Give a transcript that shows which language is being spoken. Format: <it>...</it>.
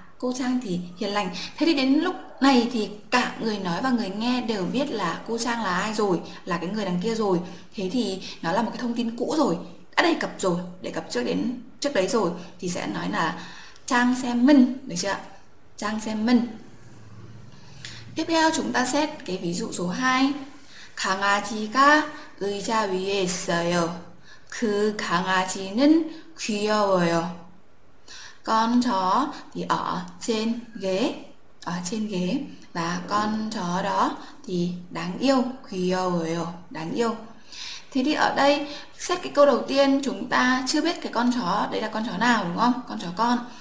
<vi>Cô Trang thì hiền lành. Thế thì đến lúc này thì cả người nói và người nghe đều biết là cô Trang là ai rồi, là cái người đằng kia rồi. Thế thì nó là một cái thông tin cũ rồi, đã đề cập rồi, đề cập trước đến trước đấy rồi thì sẽ nói là 장쌤은, được chưa ạ?</vi> <ko>장쌤은.</ko> <vi>Tiếp theo chúng ta xét cái ví dụ số 2.</vi> <ko>강아지가 의자 위에 있어요. 그 강아지는 귀여워요.</ko> <vi>Con chó thì ở trên ghế và con chó đó thì đáng yêu, 귀여워요, đáng yêu. Thế thì ở đây xét cái câu đầu tiên chúng ta chưa biết cái con chó đấy là con chó nào đúng không? Con chó con.</vi>